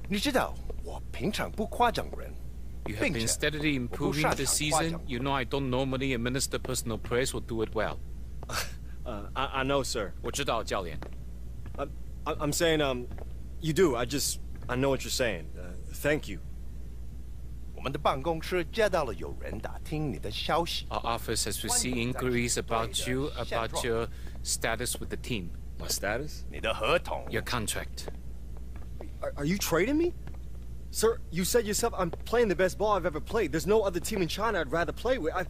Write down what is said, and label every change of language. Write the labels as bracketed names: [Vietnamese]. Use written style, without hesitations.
[Chinese] 继你的技术平稳进步，你知道我平常不夸张人。 [English] You have been steadily improving this season. You know I don't normally administer personal praise or do it well. I know, sir. [Chinese] 我知道，教练。 [English] I'm saying, you do. I know what you're saying. Thank you. [Chinese] 我们的办公室接到了有人打听你的消息。 [English] Our office has received inquiries about you, about your status with the team. My status? [Chinese] 你的合同。 [English] Your contract. Are you trading me? Sir, you said yourself I'm playing the best ball I've ever played. There's no other team in China I'd rather play with.